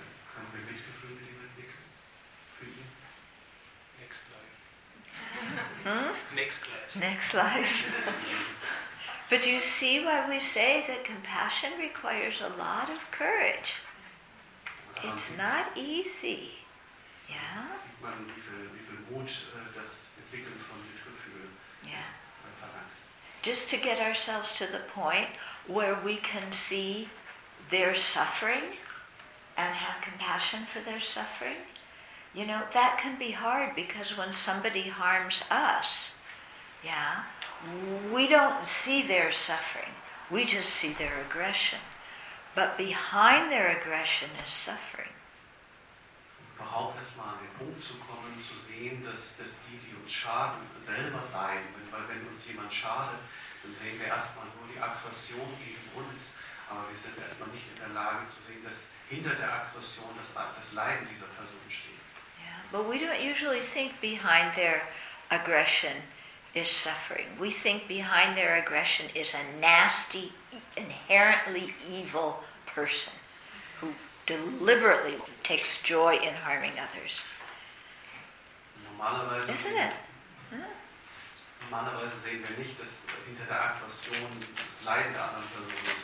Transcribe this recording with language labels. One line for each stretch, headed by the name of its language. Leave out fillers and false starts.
German: Können wir Mitgefühl mit ihm entwickeln? Für ihn?
English: Next life. Next life. Next life. But you see why we say that compassion requires a lot of courage. It's not easy. Yeah?
German: Sieht man, wie viel Mut das Entwickeln von Mitgefühl verlangt.
English: Yeah. Just to get ourselves to the point where we can see their suffering and have compassion for their suffering, you know, that can be hard because when somebody harms us, yeah, we don't see their suffering. We just see their aggression. But behind their aggression is suffering.
German: Überhaupt erstmal an den Punkt zu kommen, zu sehen, dass die uns schaden, selber leiden. Weil wenn uns jemand schadet, dann sehen wir erstmal nur die Aggression gegen uns. Aber wir sind erstmal nicht in der Lage zu sehen, dass hinter der Aggression das Leiden dieser Person steht.
English: Yeah, but we don't usually think behind their aggression is suffering. We think behind their aggression is a nasty, inherently evil person who deliberately takes joy in harming others.
German: Normalerweise
English: isn't
German: sehen,
English: it? Huh?
German: Normalerweise sehen wir nicht, dass hinter der Aggression das Leiden der anderen Person ist.